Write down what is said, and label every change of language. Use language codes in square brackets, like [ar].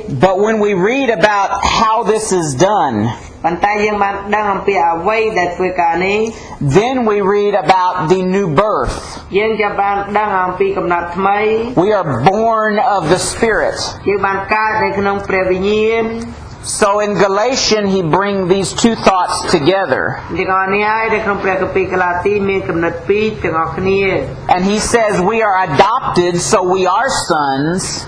[en] But when we read about how this is done, [km] ប៉ុន្តែយើងបានដឹងអំពីអ្វីដែលធ្វើការនេះ [en] Then we read about the new birth. [km] យើងចាប់បានដឹងអំពីកំណត់ថ្មី [en] We are born of the Spirit [km] យើងបានកើតនៅក្នុងព្រះវិញ្ញាណ [en] So in Galatian, he bring these two thoughts together. And he says, we are adopted, so we are sons.